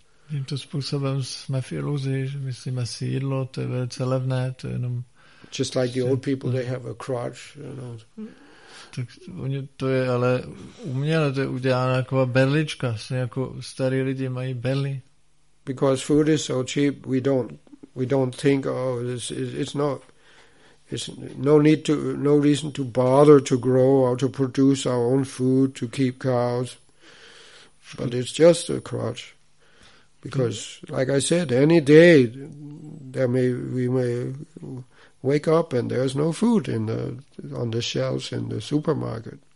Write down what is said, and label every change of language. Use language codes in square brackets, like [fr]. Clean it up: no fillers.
[cs] Tímto způsobem jsme v iluzi, že myslíme si jídlo, to je velice levné, to je jenom... [en] Just like the old people, they have a crutch, you know. [cs] Tak to je ale uměle, to je udělána jako berlička, jako starý lidi mají berli. [en] Because food is so cheap, we don't think, oh, it's not... There's no reason to bother to grow or to produce our own food to keep cows, but it's just a crutch, because, like I said, any day we may wake up and there's no food on the shelves in the supermarket.